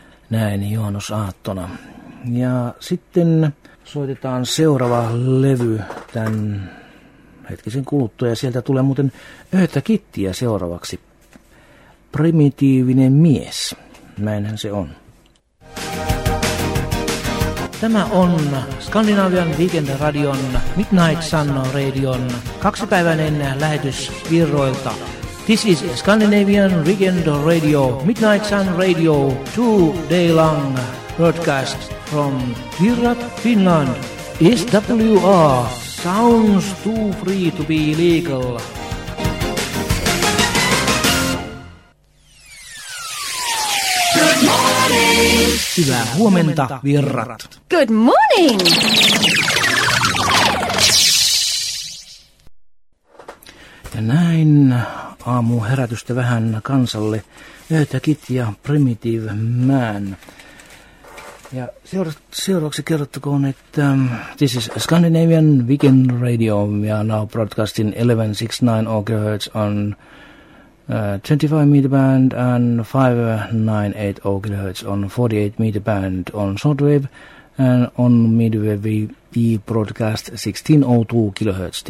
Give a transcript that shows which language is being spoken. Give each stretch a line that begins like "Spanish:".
Finnish: Näin juhannusaattona. Ja sitten soitetaan seuraava levy tämän hetkisen kuluttua ja sieltä tulee muuten Öötä Kittiä seuraavaksi. Primitiivinen mies, näinhän se on. Tämä on Skandinavian Weekend Radion Midnight Sun Radion 2-päiväinen lähetys Virroilta.
English: This is Scandinavian Weekend Radio, Midnight Sun Radio, 2-day-long broadcast from Virrat, Finland. SWR sounds too free to be legal.
Finnish: Hyvää huomenta, virrat.
English: Good morning!
Finnish: Ja näin aamu herätystä vähän kansalle. Öötä Kit ja Primitive Man. Ja seuraavaksi kerrottakoon, että
English: this is Scandinavian Weekend Radio. We are now broadcasting 1169 kHz on 25 meter band and 598 kHz on 48 meter band on shortwave, and on midwave we broadcast 1602 kHz.